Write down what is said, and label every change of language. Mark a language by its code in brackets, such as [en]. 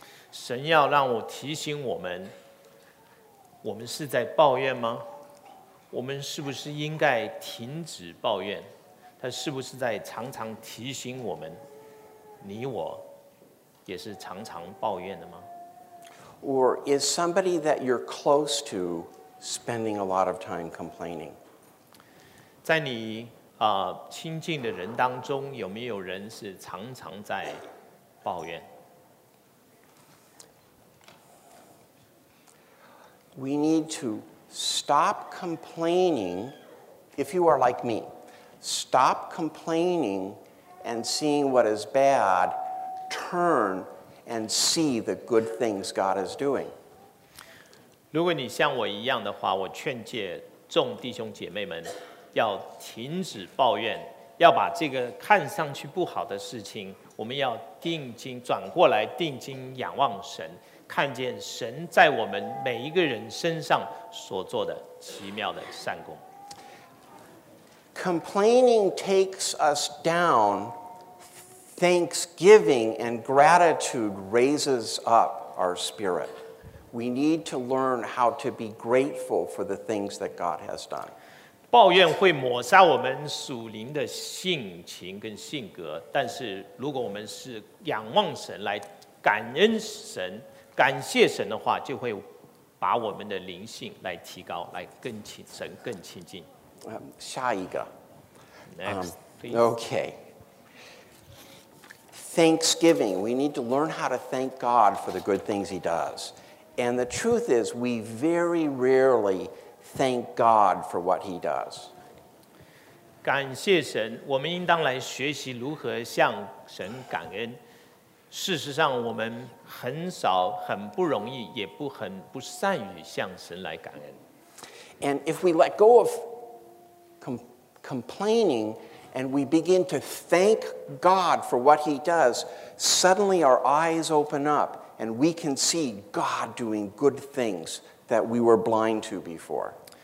[zh] 神要让我提醒我们，我们是在抱怨吗？我们是不是应该停止抱怨？他是不是在常常提醒我们，你我也是常常抱怨的吗？ [en] Or is somebody that you're close to spending a lot of time complaining? [zh] 在你亲近的人当中，有没有人是常常在抱怨？ [en] We need to stop complaining if you are like me. Stop complaining and seeing what is bad, turn and see the good things God is doing. [zh] 如果你像我一样的话，我劝诫众弟兄姐妹们要停止抱怨，要把这个看上去不好的事情，我们要定睛转过来，定睛仰望神，看见神在我们每一个人身上所做的奇妙的善功。 [en] Complaining takes us down. Thanksgiving and gratitude raises up our spirit. We need to learn how to be grateful for the things that God has done. [zh] 抱怨会抹杀我们属灵的性情跟性格，但是如果我们是仰望神来感恩神感谢神的话，就会把我们的灵性来提高，来更亲神更亲近。下一个。 [en] Next, okay. Thanksgiving. We need to learn how to thank God for the good things He does. And the truth is, we very rarely thank God for what He does. [zh] 感谢神，我们应当来学习如何向神感恩。事实上，我们很少、很不容易，也不很不善于向神来感恩。 [en] And if we let go of complaining and we begin to thank God for what He does, suddenly our eyes open up and we can see God doing good things that we were blind to before.